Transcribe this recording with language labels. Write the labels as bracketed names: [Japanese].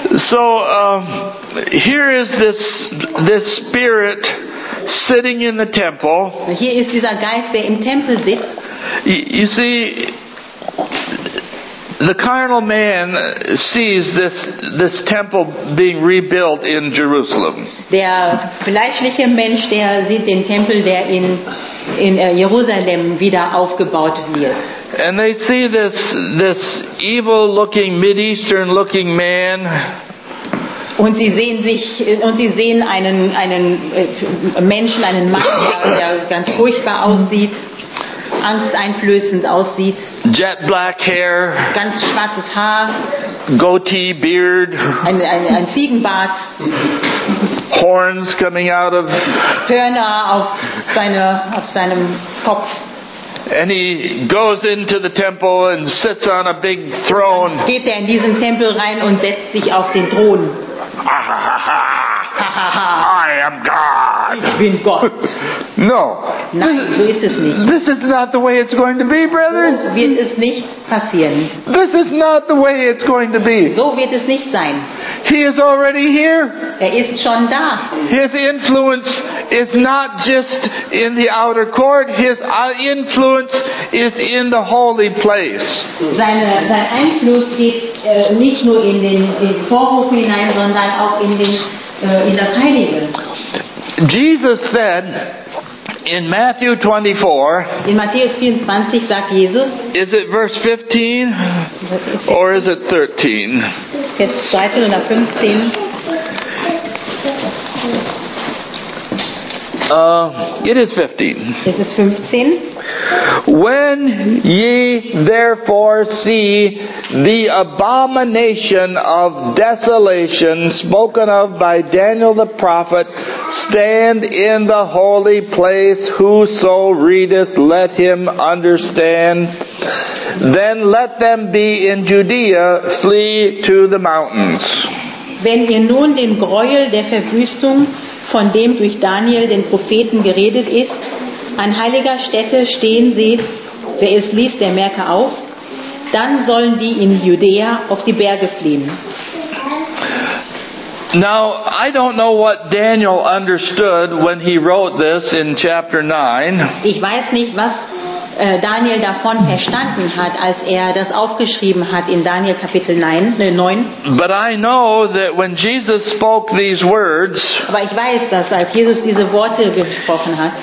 [English] So here is this spirit sitting in the temple. [German] Hier ist dieser Geist, der im Tempel sitzt. [English] You see, the carnal man sees this temple being rebuilt in Jerusalem. [German] Der fleischliche Mensch, der sieht den Tempel, der in Jerusalem wieder aufgebaut wird. [English] And they see this evil-looking, Mideastern-looking man. [German] Und sie sehen einen Menschen, einen Mann, der ganz furchtbar aussieht. Angsteinflößend aussieht. [English] Jet black hair. [German] Ganz schwarzes Haar. [English] Goatee beard. [German] Ein Ziegenbart. [English] Horns coming out of. [German] Hörner auf seinem Kopf. [English] And he goes into the temple and sits on a big throne. [German] Geht er in diesen Tempel rein und setzt sich auf den Thron. [English] I am God. [German] Ich bin Gott. [English] No. [German] Nein, so ist es nicht. [English] This is not the way it's going to be, brother. [German] So wird es nicht passieren. [English] This is not the way it's going to be. [German] So wird es nicht sein. [English] He is already here. [German] Er ist schon da. [English] His influence is not just in the outer court. His influence is in the holy place. [German] Sein Einfluss geht nicht nur in den Vorhof hinein, sondern auch in den in das Heilige. [English] Jesus said in Matthew 24. [German] In Matthäus 24 sagt Jesus. [English] Is it verse 15 or is it 13? [German] Vers 13 oder 15? [English] It is 15. [German] Es ist 15. [English] When ye therefore see the abomination of desolation spoken of by Daniel the prophet stand in the holy place, whoso readeth, let him understand. Then let them be in Judea, flee to the mountains. [German] Wenn ihr nun den Gräuel der Verwüstung, von dem durch Daniel den Propheten geredet ist, an heiliger Stätte stehen seht, wer es liest, der merke auf, dann sollen die in Judäa auf die Berge fliehen. [English] Now, I don't know what Daniel understood when he wrote this in chapter 9. [German] Ich weiß nicht, was Daniel davon verstanden hat, als er das aufgeschrieben hat in Daniel Kapitel 9. [English] But I know that when Jesus spoke these words, [German] aber ich weiß, dass als Jesus diese Worte gesprochen hat,